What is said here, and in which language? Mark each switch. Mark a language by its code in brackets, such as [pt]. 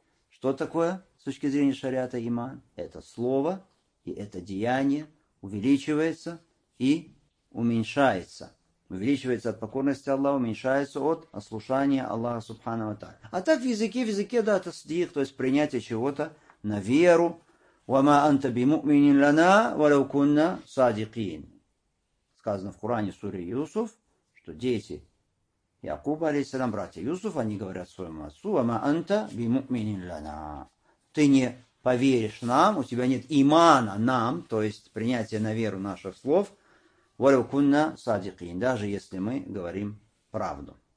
[ru] Что такое с точки зрения шариата иман? Это слово и это деяние увеличивается и уменьшается. Увеличивается от покорности Аллаха, уменьшается от ослушания Аллаха Субхана ва Тааля. А так в языке, да, это тасдик, то есть принятие чего-то на веру. [ar] وَمَا أَنْتَ بِمُؤْمِنٍ لَنَا وَلَوْ كُنَّا صَادِقِينَ. [ru] Сказано в Коране, суре Юсуф, что дети Якуба, алейхиссалям, братья Юсуф, они говорят своему отцу, «Ама анта бимуминин лана». Ты не поверишь нам, у тебя нет имана нам, то есть принятия на веру наших слов, «Валю кунна садикин», даже если мы говорим правду.